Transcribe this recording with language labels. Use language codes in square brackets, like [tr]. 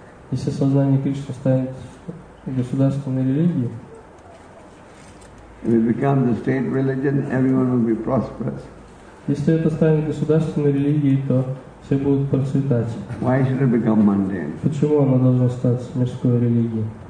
[ru] Если сознание Кришны станет государственной религией, [en] if it becomes the state religion, everyone will be prosperous. [ru] Если это станет государственной религией, то все будут процветать. [en] Why should it become mundane? [ru] Почему она должна стать мирской религией?